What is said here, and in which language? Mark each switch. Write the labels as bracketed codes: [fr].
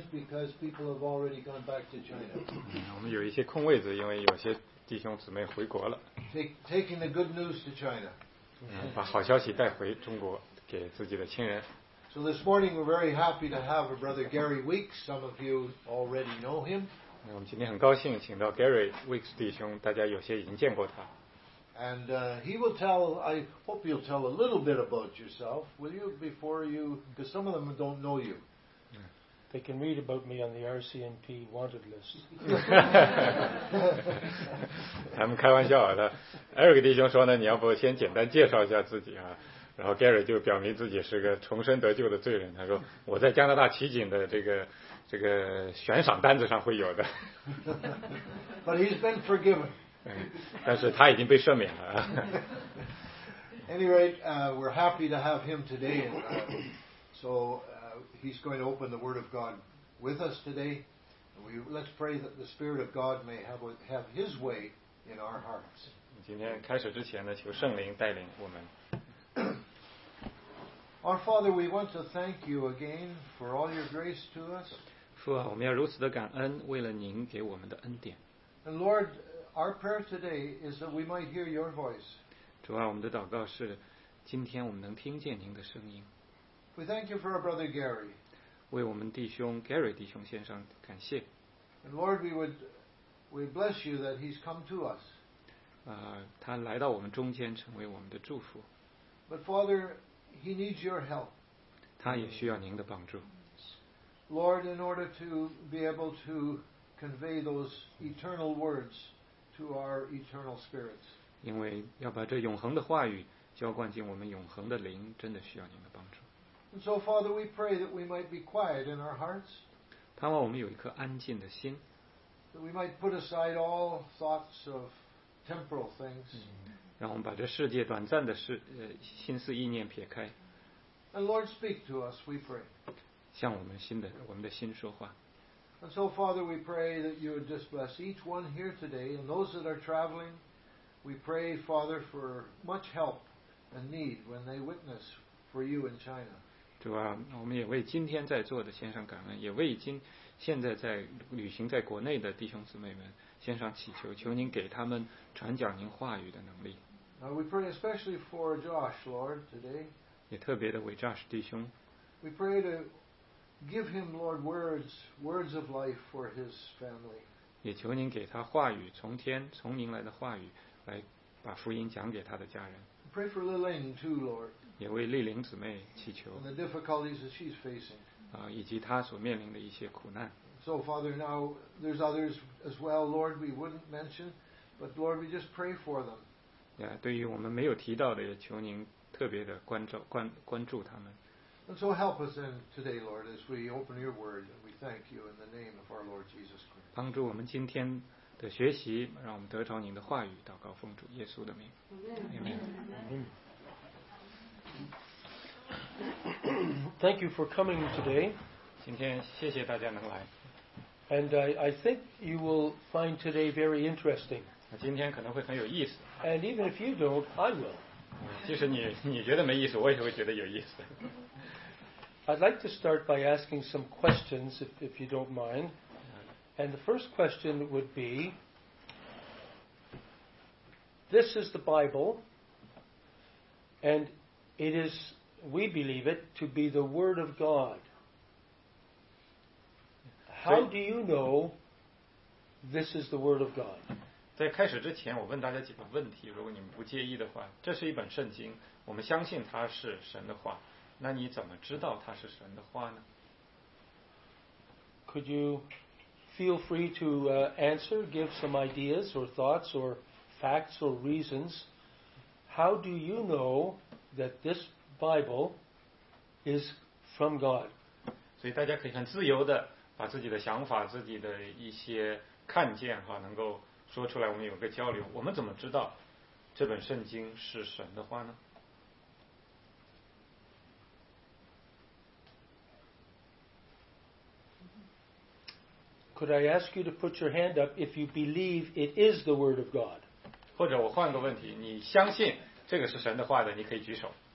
[en] because people have already gone back to China. [zh] 我们有一些空位子，因为有些弟兄姊妹回国了。 [en] Taking the good news to China. [zh] 把好消息带回中国给自己的亲人。 [en] So this morning we're very happy to have a brother Gary Weeks. Some of you already know him. [zh] 我们今天很高兴请到 Gary Weeks 弟兄，大家有些已经见过他。 [en] And he will tell, I hope you'll tell a little bit about yourself, will you, before you, because some of them don't know you. They can read about me on the RCMP wanted list. [zh] 他们开玩笑啊，Eric 弟兄说呢，你要不先简单介绍一下自己啊，然后 Gary 就表明自己是个重生得救的罪人，他说我在加拿大骑警的这个悬赏单子上会有的。 [en] But he's been forgiven. [zh] 但是他已经被赦免了。 [en] Anyway, we're happy to have him today. So he's going to open the Word of God with us today. Let's pray that the Spirit of God may have his way in our hearts. [zh] 今天开始之前呢，求圣灵带领我们。 [en] Our Father, we want to thank you again for all your grace to us. [zh] 父啊，我们要如此的感恩，为了您给我们的恩典。 [en] And Lord, our prayer today is that we might hear your voice. [zh] 主啊，我们的祷告是，今天我们能听见您的声音。 [en] We thank you for our brother Gary. [zh] 为我们弟兄 Gary 弟兄献上感谢。 [en] And Lord, we bless you that he's come to us. [zh] 他来到我们中间，成为我们的祝福。 [en] But Father, he needs your help. [zh] 他也需要您的帮助。 [en] Lord, in order to be able to convey those eternal words to our eternal spirits. [zh] 因为要把这永恒的话语浇灌进我们永恒的灵，真的需要您的帮助。 [en] And so, Father, we pray that we might be quiet in our hearts. [zh] 盼望我们有一颗安静的心。 [en] That we might put aside all thoughts of temporal things. [zh] 让我们把这世界短暂的心思意念撇开。 [en] And Lord, speak to us, we pray. [zh] 向我们的心说话。 [en] And so, Father, we pray that you would just bless each one here today and those that are traveling. We pray, Father, for much help and need when they witness for you in China. [zh] 主啊，我们也为今天在座的献上感恩，也为现在在旅行在国内的弟兄姊妹们献上祈求，求您给他们传讲您话语的能力。 [en] We pray especially for Josh, Lord, today. [zh] 也特别的为 Josh 弟兄。 [en] We pray to give him, Lord, words of life for his family. [zh] 也求您给他话语，从天从您来的话语，来把福音讲给他的家人。 [en] Pray for Lilin too, Lord. [zh] 也为丽玲姊妹祈求。 [en] And the difficulties that she's facing. [zh] 以及她所面临的一些苦难。 [en] So, Father, now there's others as well, Lord, we wouldn't mention, but Lord, we just pray for them. [zh] Yeah, 对于我们没有提到的，也求您特别的关注他们。 [en] And so help us in today, Lord, as we open your word, and we thank you in the name of our Lord Jesus Christ. [zh] 帮助我们今天的学习，让我们得着您的话语，祷告奉主耶稣的名。 [en] Amen. Amen. Thank you for coming today. [zh] 今天谢谢大家能来。 [en] And I think you will find today very interesting. [zh] 今天可能会很有意思。 [en] And even if you don't, I will. [zh] 即使你觉得没意思，我也会觉得有意思。 [en] I'd like to start by asking some questions, if you don't mind. And the first question would be, this is the Bible, and it is, we believe it, to be the Word of God. How do you know this is the Word of God? [zh] 在开始之前，我问大家几个问题，如果你们不介意的话，这是一本圣经，我们相信它是神的话。那你怎么知道它是神的话呢？ [en] Could you feel free to answer, give some ideas or thoughts or facts or reasons? How do you know that this Bible is from God? [zh] 所以大家可以很自由的把自己的想法、自己的一些看见哈，能够说出来，我们有个交流。我们怎么知道这本圣经是神的话呢？ [en] Could I ask you to put your hand up if you believe it is the Word of God? [zh] 或者我换个问题，你相信这个是神的话的，你可以举手。